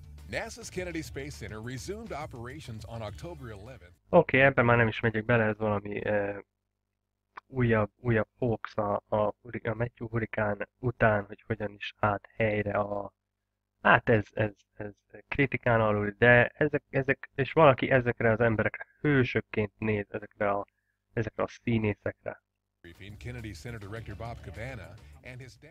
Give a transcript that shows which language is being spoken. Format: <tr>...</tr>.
<en>NASA's Kennedy Space Center resumed operations on October 11th.</en> <hu>Oké, ebben már nem is megyek bele, ez valami újabb hoax a Matthew hurikán után, hogy hogyan is állt helyre a... Hát ez kritikán alul, de ezek, és valaki ezekre az emberekre hősökként néz, ezekre a színészekre.</hu> <en>Kennedy Center Director Bob Cabana and his dad...</en>